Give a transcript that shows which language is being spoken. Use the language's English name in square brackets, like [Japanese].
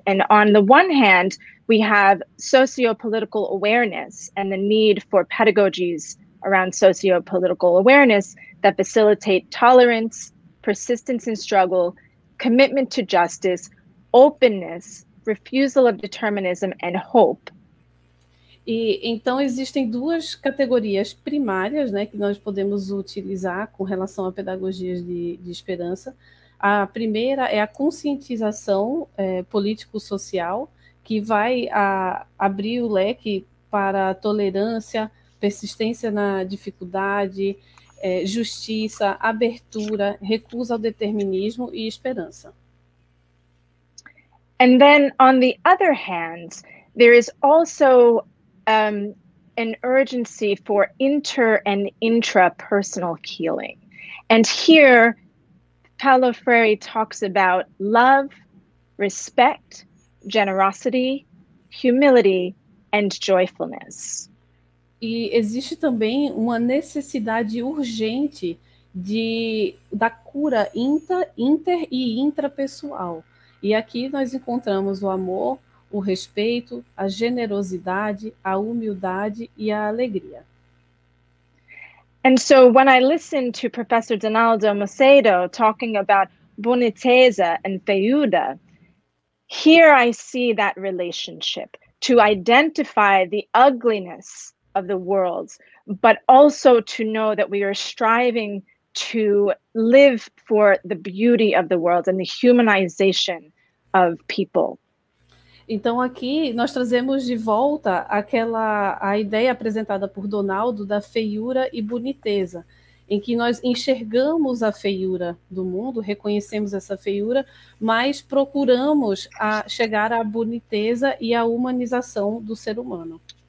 [English] And on the one hand, we have socio-political awareness and the need for pedagogies around socio-political awareness that facilitate tolerance, persistence in struggle, commitment to justice, openness, refusal of determinism, and hope. [Portuguese] E então existem duas categorias primárias, né, que nós podemos utilizar com relação a pedagogias de esperança. A primeira é a conscientização político-social, que vai abrir o leque para tolerância, persistência na dificuldade, justiça, abertura, recusa ao determinismo e esperança. [English] And then, on the other hand, there is also an urgency for inter and intrapersonal healing. And here, Paulo Freire talks about love, respect, generosity, humility, and joyfulness. [Portuguese] E existe também uma necessidade urgente da cura inter e intrapessoal. E aqui nós encontramos o amor, o respeito, a generosidade, a humildade e a alegria. [English] And so when I listened to Professor Donaldo Macedo talking about boniteza and feiura, here I see that relationship to identify the ugliness of the world, but also to know that we are striving to live for the beauty of the world and the humanization of people. [Portuguese] Então aqui nós trazemos de volta aquela a ideia apresentada por Donaldo da feiura e boniteza, em que nós enxergamos a feiura do mundo, reconhecemos essa feiura, mas procuramos a chegar à boniteza e à humanização do ser humano.